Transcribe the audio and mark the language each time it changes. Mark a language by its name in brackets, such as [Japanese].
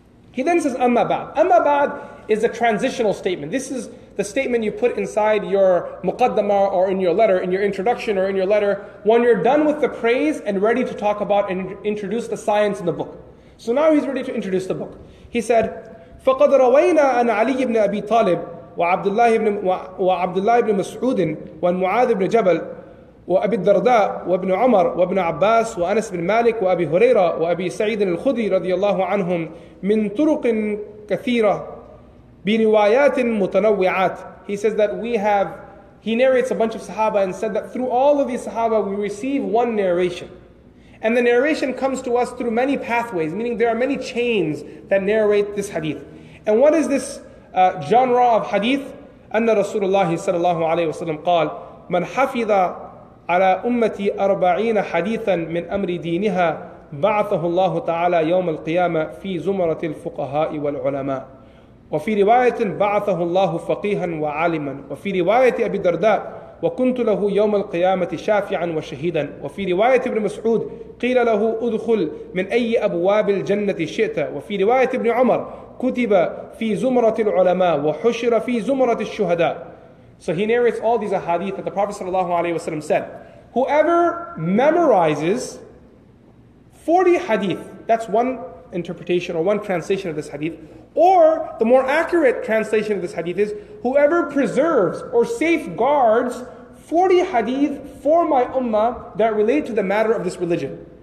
[English] He then says, amma ba'd. Amma ba'd is a transitional statement. This is the statement you put inside your muqaddamah or in your letter, in your introduction or in your letter, when you're done with the praise and ready to talk about and introduce the science in the book. So now he's ready to introduce the book. He said, [Arabic] فقد روينا أن علي بن أبي طالب وعبد الله بن مسعود والمعاذ بن جبل وأبي الدرداء وابن عمر وابن عباس وأنس بن مالك وأبي هريرة وأبي سعيد الخدري رضي الله عنهم من طرق كثيرة بروايات متنوعات. [English] He says that he narrates a bunch of Sahaba and said that through all of these Sahaba we receive one narration. And the narration comes to us through many pathways, meaning there are many chains that narrate this hadith. And what is this genre of hadith? [Arabic] أن رسول الله صلى الله عليه وسلم قال من حفظ على أمتي 40 حديثا من أمر دينها بعثه الله تعالى يوم القيامة في زمرة الفقهاء والعلماء وفي رواية بعثه الله فقيها وعالما وفي رواية أبي الدرداء وكنت له يوم القيامة شافعا وشهيدا وفي رواية ابن مسعود قيل له أدخل من أي أبواب الجنة شئت وفي رواية ابن عمر كتب في زمرة العلماء وحشر في زمرة الشهداء. [English] So he narrates all these ahadith that the Prophet sallallahu alaihi wasallam said. Whoever memorizes 40 hadith, that's one interpretation or one translation of this hadith, or the more accurate translation of this hadith is, whoever preserves or safeguards 40 hadith for my ummah that relate to the matter of this religion.